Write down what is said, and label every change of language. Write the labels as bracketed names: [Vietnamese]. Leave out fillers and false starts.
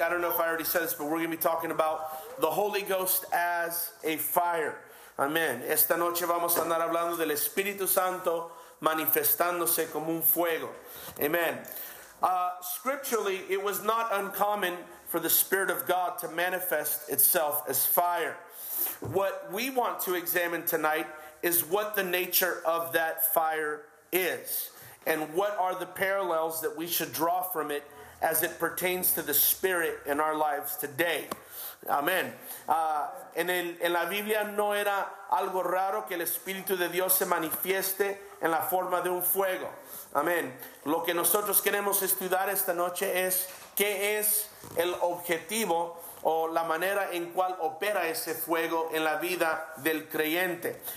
[English] I don't know if I already said this, but we're going to be talking about the Holy Ghost as a fire. Amen. [Spanish] Esta noche vamos a andar hablando del Espíritu Santo manifestándose como un fuego. [English] Amen. Scripturally, it was not uncommon for the Spirit of God to manifest itself as fire. What we want to examine tonight is what the nature of that fire is, and what are the parallels that we should draw from it as it pertains to the Spirit in our lives today. Amen. [Spanish] En la Biblia no era algo raro que el Espíritu de Dios se manifieste en la forma de un fuego. Amén. Lo que nosotros queremos estudiar esta noche es qué es el objetivo o la manera en cual opera ese fuego en la vida del creyente.